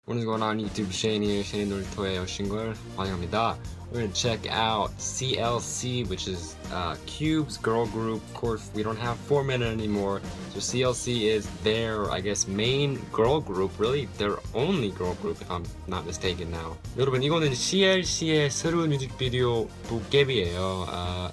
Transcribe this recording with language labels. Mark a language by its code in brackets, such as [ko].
[ko] 오늘 권한 유튜브 쉐니의 쉐니 놀토의 여신걸 환영합니다. [en] We're gonna check out CLC, which is Cube's girl group. Of course, we don't have 4Men anymore. So CLC is their, I guess, main girl group. Really, their only girl group, if I'm not mistaken now. [ko] 여러분, 이거는 CLC의 새로운 뮤직비디오 도깨비예요.